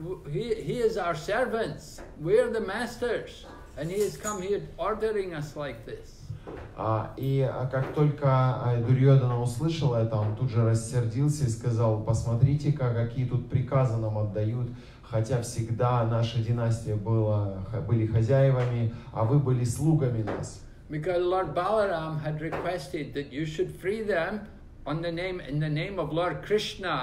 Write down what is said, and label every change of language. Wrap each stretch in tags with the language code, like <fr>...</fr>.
<en>He is our servants. We are the masters. And he has come here ordering us like this.</en> <ru>Как только Дурьодана услышал это, он тут же рассердился и сказал, посмотрите-ка, какие тут приказы нам отдают, хотя всегда наша династия были хозяевами, а вы были слугами нас.</ru> <en>Because Lord Balaram had requested that you should free them in the name of Lord Krishna.</en>